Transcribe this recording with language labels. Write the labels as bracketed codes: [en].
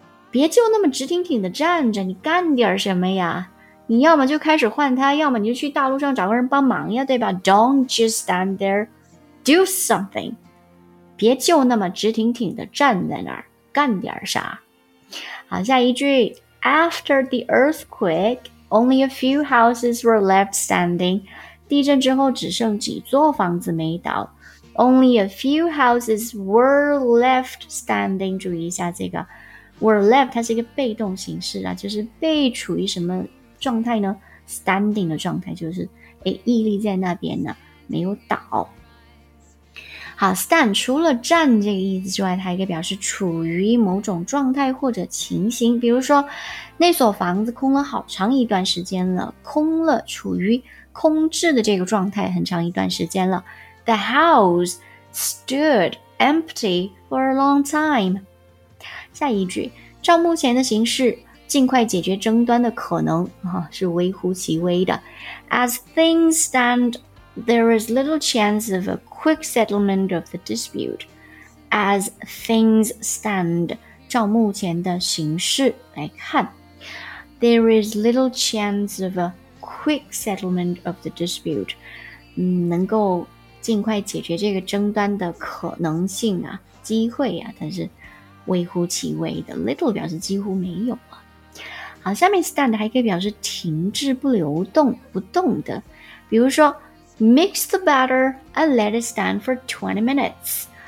[zh] 别就那么直挺挺的站着，你干点什么呀？你要么就开始换胎，要么你就去大路上找个人帮忙呀，对吧？ [en] Don't just stand there, do something. [zh] 别就那么直挺挺的站在那儿，干点啥。好，下一句。 [en] After the earthquake, only a few houses were left standing. [zh] 地震之后只剩几座房子没倒。 [en] Only a few houses were left standing. [zh] 注意一下这个 were left, 它是一个被动形式啊，就是被处于什么状态呢？ standing 的状态就是屹立在那边呢，没有倒。好， stand 除了站这个意思之外，它一个表示处于某种状态或者情形。比如说那所房子空了好长一段时间了，空了，处于空置的这个状态很长一段时间了。 [en] The house stood empty for a long time. [zh] 下一句，照目前的形势尽快解决争端的可能是微乎其微的。 [en] As things stand, there is little chance of a quick settlement of the dispute. As things stand, [zh] 照目前的形势来看， [en] There is little chance of a quick settlement of the dispute. [zh] 能够尽快解决这个争端的可能性啊，机会啊，但是微乎其微的。 Little 表示几乎没有啊。好，下面 stand 还可以表示停滞不流动不动的。 [en] 比如说 mix the batter and let it stand for 20 minutes.